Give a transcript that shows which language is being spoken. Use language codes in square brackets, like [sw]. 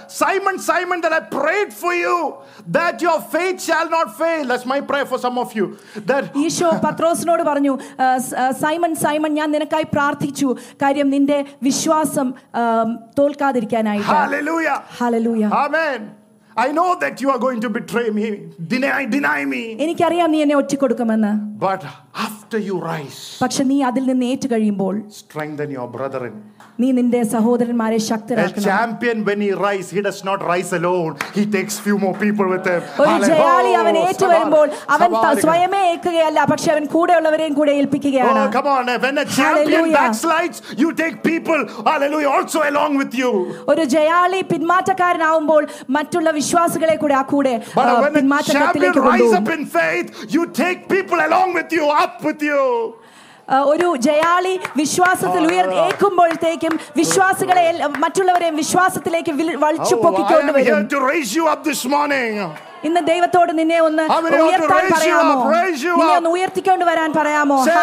[en] Simon, Simon, that I prayed for you that your faith shall not fail. That's my prayer for some of you. That [ml] Isho പത്രോസിനോട് പറഞ്ഞു, Simon Simon, ഞാൻ നിനക്കായി പ്രാർത്ഥിച്ചു, കാര്യം നിന്റെ വിശ്വാസം തോൽക്കാതിരിക്കാനായിട്ട്. ഹല്ലേലൂയാ. ഹല്ലേലൂയാ. ആമേൻ. [en] I know that you are going to betray me, deny me. [ml] എനിക്ക് അറിയാം നീ എന്നെ ഒറ്റിക്കൊടുക്കുമെന്ന്. [en] But after you rise, [ml] പക്ഷേ നീ അതിൽ നിന്ന് ഏറ്റു കഴിയുമ്പോൾ, [en] strengthen your brethren. [ml] നീ നിന്റെ സഹോദരന്മാരെ ശക്തരാക്കണം. [en] A champion, when he rises, he does not rise alone. He takes few more people with him. [ml] ഒരു ജയാളി അവൻ ഏറ്റു വരുമ്പോൾ അവൻ സ്വയമേ ഏൽക്കുകയല്ല, പക്ഷേ അവൻ കൂടെയുള്ളവരെയും കൂടെ ഏൽപ്പിക്കുകയാണ്. [en] Oh, come on. When a champion backslides, you take people, hallelujah, also along with you. [ml] ഒരു ജയാളി പിന്മാറ്റക്കാരനാകുമ്പോൾ മറ്റുള്ള വിശ്വാസികളെ കൂടെ ആ കൂടെ പിന്മാറ്റക്കാരിലേക്ക് കൊണ്ടുവരും. [en] When a champion rises up in faith, you take people along with you, up with you. [ml] ഒരു ജയാളി വിശ്വാസത്തിൽ ഉയർന്നേക്കുമ്പോഴത്തേക്കും വിശ്വാസികളെ മറ്റുള്ളവരെയും വിശ്വാസത്തിലേക്ക് വളച്ചു പൊക്കിക്കൊണ്ടുവരും. ഇന്ന് ദൈവത്തോട് നിന്നെ ഒന്ന് ഉയർത്താൻ പറയാമോ? നിന്നെ ഒന്ന് ഉയർത്തിക്കൊണ്ട് വരാൻ പറയാമോ?